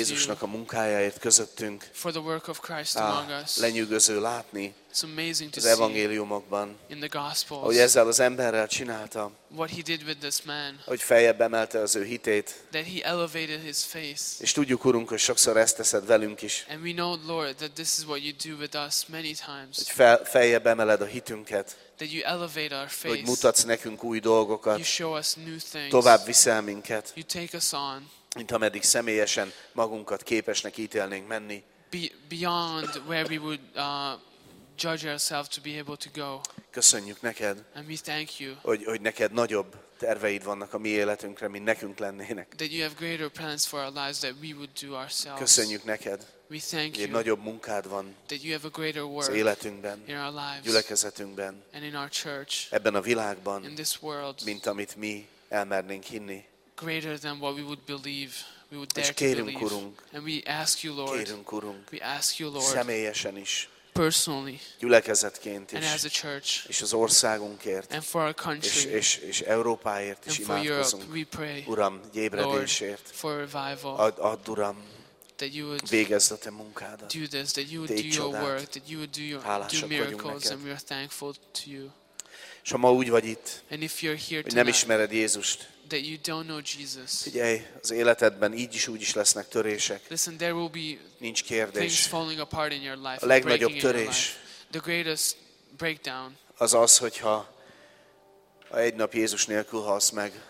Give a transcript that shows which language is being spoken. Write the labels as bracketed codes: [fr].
[hu] Jézusnak a munkájáért közöttünk. [en] For the work of Christ among us. [hu] Lenyűgöző látni. [en] It's amazing to [hu] az evangéliumokban. [en] In the gospels. [hu] Ahogy ezzel az emberrel csinálta. [en] What he did with this man. [hu] Hogy feljebb emelte az ő hitét. [en] That he elevated his faith. [hu] És tudjuk, Urunk, hogy sokszor ezt teszed velünk is. [en] And we know, Lord, that this is what you do with us many times. [hu] Hogy feljebb emeled a hitünket. [en] That you elevate our faith. [hu] Hogy mutatsz nekünk új dolgokat. [en] You show us new things. [hu] Tovább viszel minket. [en] You take us on. [hu] Mint ameddig személyesen magunkat képesnek ítélnénk menni. [en] Beyond where we would judge ourselves to be able to go. [hu] köszönjük neked. [en] And we thank you. [hu] Hogy neked nagyobb terveid vannak a mi életünkre, mint nekünk lennének. [en] That you have greater plans for our lives than we would do ourselves. [hu] Köszönjük neked. [en] We thank you. [hu] Egy nagyobb munkád van. [en] That you have a greater work. [hu] Az életünkben. [en] In our lives. [hu] Gyülekezetünkben. [en] And in our church. [hu] Ebben a világban. [en] In this world. [hu] Mint amit mi elmernénk hinni. [en] Greater than what we would believe. We would dare [hu] és kérünk, [en] to believe. [hu] Urunk, [en] and we ask you, Lord. [hu] Kérünk, Urunk, [en] we ask you, Lord. [hu] Személyesen is. [en] Personally. [hu] Gyülekezetként is. [en] And as a church. [hu] És az országunkért. [en] And for our country. [hu] És Európáért is imádkozunk. [en] And for Europe, we pray. [hu] Uram, ébredésért. [en] Lord, for revival. [hu] Add, Uram. [en] That you would [hu] végezd a te munkádat. [en] Do this, that you would do your work, that you would do your do miracles, and we are thankful to you. [hu] És ha ma úgy vagy itt, [en] and if you're here tonight, [hu] nem ismered Jézust, [en] that you don't know Jesus. [hu] Figyelj, az életedben így is úgy is lesznek törések. [en] Listen, there will be [hu] nincs kérdés. [en] Things falling apart in your life. [hu] A legnagyobb törés. [en] The greatest breakdown. [hu] Az, hogyha egy nap Jézus nélkül halsz meg.